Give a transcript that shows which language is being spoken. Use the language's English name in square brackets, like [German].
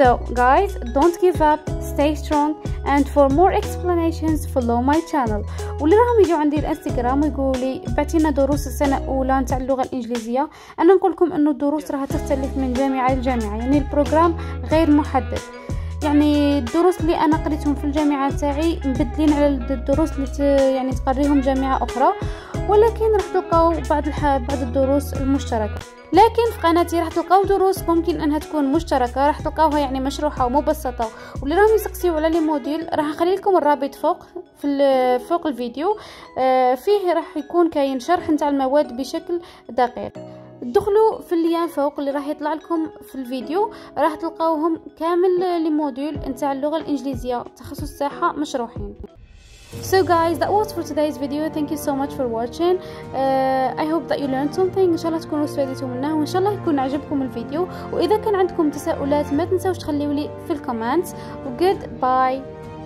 [English] جايز dont give up, stay strong and for more explanations follow my channel. [Arabic] واللي راهم يجوا عندي الانستغرام ويقولوا لي بعتينا دروس السنه الاولى نتاع اللغه الانجليزيه، انا نقول لكم انه الدروس راح تختلف من جامعه لجامعه، يعني البروغرام غير محدد، يعني الدروس اللي انا قريتهم في الجامعه تاعي مبدلين على الدروس اللي يعني تقريهم جامعه اخرى، ولكن راح تلقاو بعض الدروس المشتركه. لكن في قناتي راح تلقاو دروس ممكن انها تكون مشتركه، راح تلقاوها يعني مشروحه ومبسطه. واللي راهم يسقسيو على لي موديل راح نخلي لكم الرابط فوق الفيديو، فيه راح يكون كاين شرح نتاع المواد بشكل دقيق. دخلوا في الليان فوق اللي راح يطلع لكم في الفيديو، راح تلقاوهم كامل لي موديل نتاع اللغه الانجليزيه تخصص الساحة مشروحين. [English] So guys, that was for today's video. Thank you so much for watching. I hope that you learned something. [Arabic] إن شاء الله تكونوا استفدتوا منها وإن شاء الله يكون عجبكم الفيديو. وإذا كان عندكم تساؤلات ما تنسوش تخليولي في الكومنتس. [English] Goodbye.